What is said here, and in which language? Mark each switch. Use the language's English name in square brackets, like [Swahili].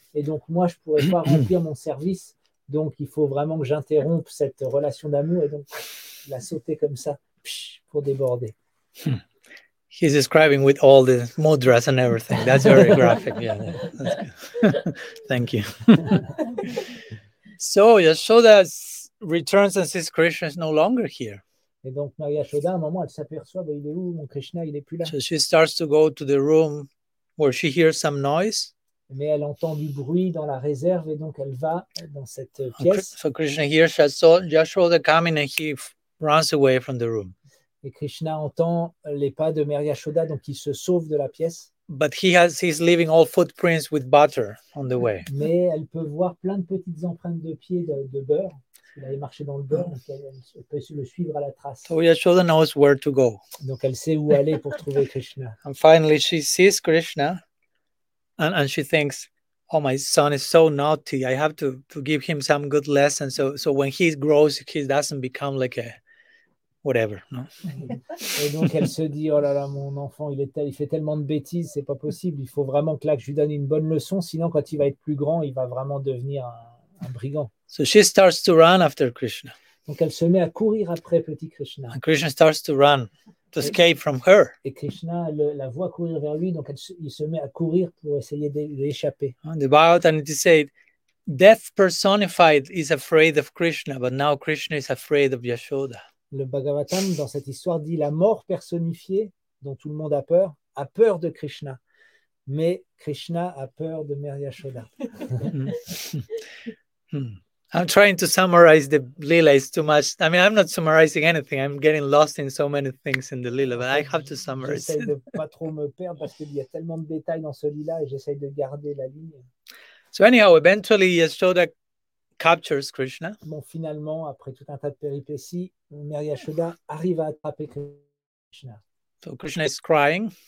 [French] Et donc, moi, je ne pourrais pas remplir mon service. Donc, il faut vraiment que j'interrompe cette relation d'amour. Et donc, la sauter comme ça, pour déborder. [English] He's describing with all the mudras and everything. That's very graphic. Yeah, that's good. Thank you. So Yashoda returns and sees Krishna is no longer here. [French] Et donc Maria Yashoda, à un moment, elle s'aperçoit, bah, il est où, mon Krishna, il est plus là. [English] So she starts to go to the room where she hears some noise. [French] Mais elle entend du bruit dans la réserve et donc elle va dans cette pièce. [English] So Krishna hears Yashoda coming and he runs away from the room. [French] Et Krishna entend les pas de Maria Yashoda, donc il se sauve de la pièce. [English] But he's leaving all footprints with butter on the way. [French] Mais elle peut voir plein de petites empreintes de pieds de beurre. Il avait marché dans le beurre, donc elle peut le suivre à la trace. [English] So Yashoda knows where to go. [French] Donc elle sait où aller pour trouver Krishna. [English] And finally, she sees Krishna, and she thinks, oh, my son is so naughty. I have to give him some good lessons. So when he grows, he doesn't become like a whatever, no? [French] Et donc elle se dit, oh là là, mon enfant, il fait tellement de bêtises, c'est pas possible. Il faut vraiment que là, que je lui donne une bonne leçon, sinon quand il va être plus grand, il va vraiment devenir un brigand. [English] So she starts to run after Krishna. [French] Donc elle se met à courir après petit Krishna. [English] And Krishna starts to run to escape from her. [French] Et Krishna la voit courir vers lui, donc il se met à courir pour essayer d'échapper. [English] And the Bhagavatam said, death personified is afraid of Krishna, but now Krishna is afraid of Yashoda. [French] Le Bhagavatam, dans cette histoire, dit la mort personnifiée, dont tout le monde a peur de Krishna. Mais Krishna a peur de Maria Yashoda. [English] I'm trying to summarize the Lila. It's too much. I mean, I'm not summarizing anything. I'm getting lost in so many things in the Lila, but I have to summarize. [French] J'essaie de pas trop me perdre parce qu'il y a tellement de détails dans ce Lila et j'essaie de garder la ligne. [English] So anyhow, eventually Yashoda captures Krishna. [French] Bon, finalement, après tout un tas de péripéties, Maria Yashoda arrive à attraper Krishna. [English] So Krishna is crying.